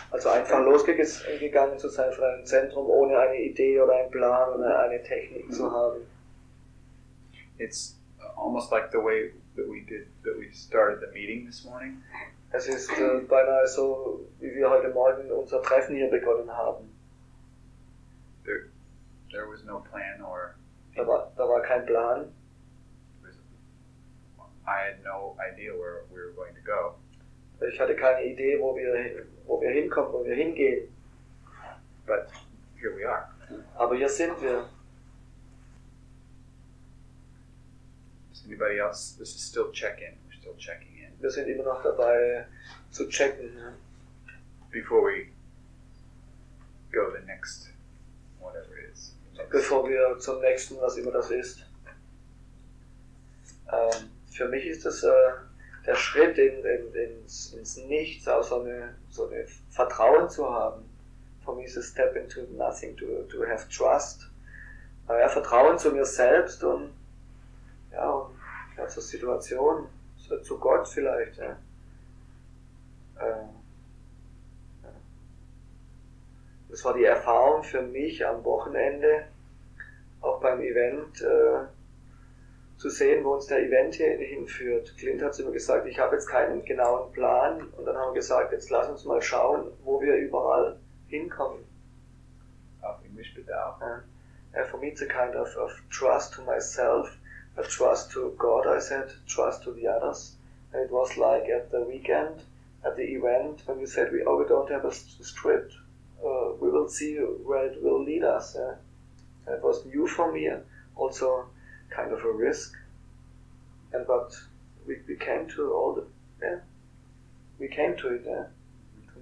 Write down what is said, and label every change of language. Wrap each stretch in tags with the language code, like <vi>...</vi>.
<de>Also einfach losgegangen zu sein von einem Zentrum, ohne eine Idee oder einen Plan oder eine Technik zu haben.</de> <en>It's almost like the way that we did, that we started the meeting this morning.</en> <de>Es ist beinahe so, wie wir heute Morgen unser Treffen hier begonnen haben.</de> <en>There was no plan or...</en> <de>Da war kein Plan.</de> <en>I had no idea where we were going to go.</en> <de>Ich hatte keine Idee, wo wir hinkommen, wo wir hingehen.</de> <en>But here we are.</en> <de>Aber hier sind wir.</de> <en>Is anybody else? This is still check-in. We're still checking in.</en> <de>Wir sind immer noch dabei zu checken.</de> <en>Before we go the next whatever it is.</en> <de>Bevor wir zum nächsten, was immer das ist. Für mich ist das der Schritt ins Nichts, auch so eine Vertrauen zu haben.</de> <en>For me is a step into nothing, to have trust.</en> <de>Ja, Vertrauen zu mir selbst und ja, zur Situation, zu Gott vielleicht. Ja. Das war die Erfahrung für mich am Wochenende, auch beim Event, zu sehen, wo uns der Event hinführt. Clint hat immer gesagt, ich habe jetzt keinen genauen Plan. Und dann haben wir gesagt, jetzt lass uns mal schauen, wo wir überall hinkommen. Auf Englisch bitte auch.</de> <en>For me it's a kind of trust to myself, a trust to God, I said, trust to the others. And it was like at the weekend, at the event, when you said, oh, we don't have a script. We will see where it will lead us. It was new for me, also kind of a risk, and but we came to all the, we came to it, mm-hmm.</en>